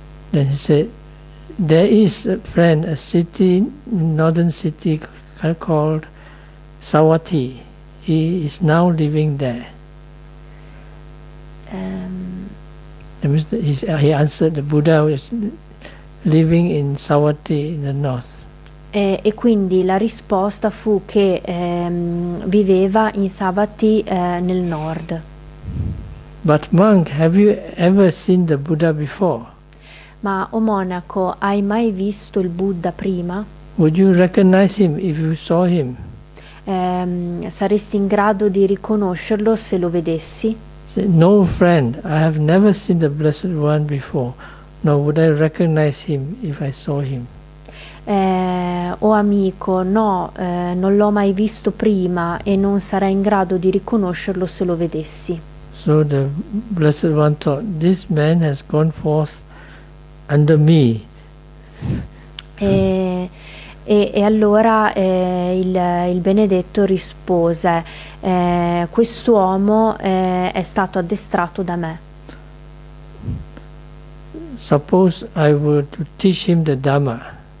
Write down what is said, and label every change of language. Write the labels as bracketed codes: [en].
[en] Then he said, there is a friend, a city, northern city called Sawati. He is now living there. He answered, the Buddha was living in Sawati in the north. [it] E quindi la risposta fu che viveva in Sawati nel nord. [en] But monk, have you ever seen the Buddha before? [it] Ma, o monaco, hai mai visto il Buddha prima? [en] Would you recognize him if you saw him? [it] Saresti in grado di riconoscerlo se lo vedessi? [en] Say, no friend, I have never seen the Blessed One before, nor would I recognize him if I saw him. [it] Amico, no, non l'ho mai visto prima e non sarei in grado di riconoscerlo se lo vedessi. [en] So the Blessed One thought, this man has gone forth under me. [it] E allora il benedetto rispose, quest'uomo è stato addestrato da me. [en] Suppose I were to teach him the Dhamma.